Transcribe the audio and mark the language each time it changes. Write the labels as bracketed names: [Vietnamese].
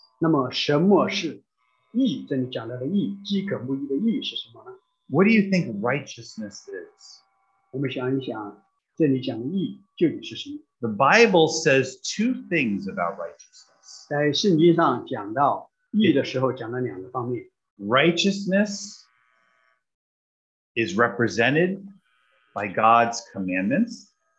[Chinese] 那么什么是义？这里讲到的义，饥渴慕义的义是什么呢？ [English] What do you think righteousness is? [Chinese] 我们想一想，这里讲的义究竟是什么？ [English] The Bible says two things about righteousness. [Chinese] 在圣经上讲到义的时候，讲了两个方面。 [English] Righteousness is represented by God's commandments.